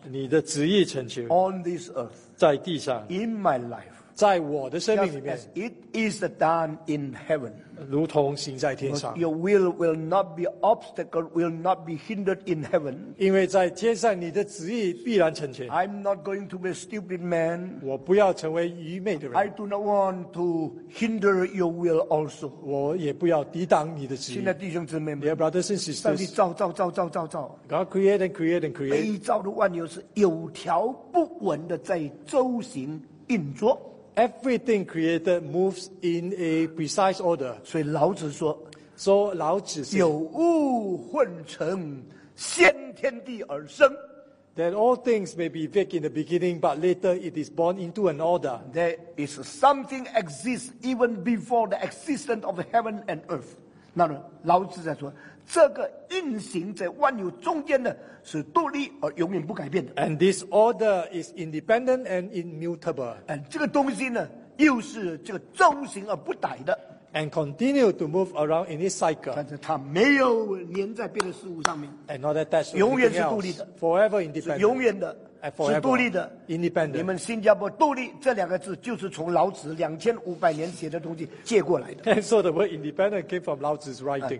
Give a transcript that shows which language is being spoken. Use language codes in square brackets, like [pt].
[zh] 你的旨意成就。 [en] On this earth. [zh] 在地上。 [en] In my life. [zh] 在我的生命里面。 [en] Just as it is done in heaven. [zh] 如同行在天上。 [en] Your will not be obstacle, will not be hindered in heaven. [zh] 因为在天上你的旨意必然成全。 [en] I'm not going to be a stupid man. [zh] 我不要成为愚昧的人。 [en] I do not want to hinder your will also. [zh] 我也不要抵挡你的旨意。亲爱弟兄姊妹们。 [en] Dear brothers and sisters. [zh] 上帝造。 [en] God create and create and create. [zh] 被造的万有是有条不紊的在周行运作。 [en] Everything created moves in a precise order. [zh] 所以老子说，说老子是有物混成，先天地而生。 [en] That all things may be vague in the beginning, but later it is born into an order. There is something exists even before the existence of heaven and earth. [zh] 那么老子在说，这个运行在万有中间的是独立而永远不改变的。 [en] And this order is independent and immutable. [zh] And 这个东西呢，又是这个周行而不殆的。 [en] And continue to move around in its cycle. [zh] 但是它没有粘在别的事物上面。 [en] And not attached to anything [zh] else. 永远是独立的。 [en] Forever independent. [zh] 是永远的。 [en] And forever [zh] 是独立的。 [en] Independent. [zh] 你们新加坡独立这两个字就是从老子2500年写的东西借过来的。 [en] And so the word independent came from 老子's writing.